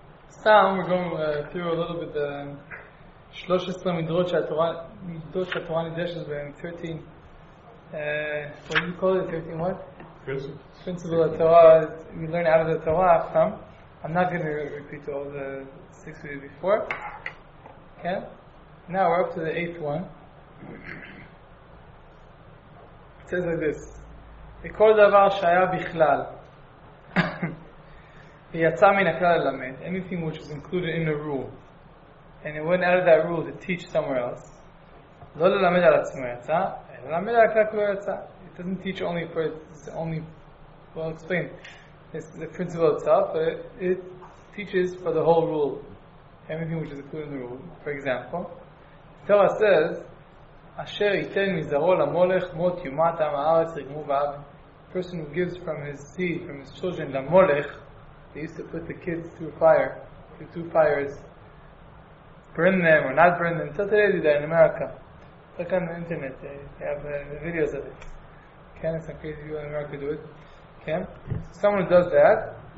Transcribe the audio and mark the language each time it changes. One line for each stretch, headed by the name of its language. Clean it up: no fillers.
Hebrew: סתם, אפילו עוד עוד 13 מדרות שהתורה, מדרות שהתורה נדשת בהן,
English: 13, what do you call it, 13 what? Principles. Principles of the Torah, we learn out of the Torah, I'm not going to repeat all the six we did before. Okay? Now we're up to the eighth one. It says like this,
Hebrew: וכל דבר שהיה בכלל, ויצא מן הכלל ללמד,
English: anything which is included in the rule, and it went out of that rule to teach somewhere else,
Hebrew: לא ללמד על עצמו יצא, אלא ללמד על הכלל כולו יצא.
English: It doesn't teach only for its only, well, explain, it's the principle itself, but it teaches for the whole rule, everything which is included in the rule. For example, Torah says,
Hebrew: אשר ייתן מזרעו למולך מות יומת עם הארץ רגמו ואב.
English: Person who gives from his seed, from his children, למולך, they used to put the kids through fire, through two fires, burn them or not burn them. Until today they do that in America. Look on the internet, they have the videos of it. Can it's some crazy people in America do it? Can someone who does that?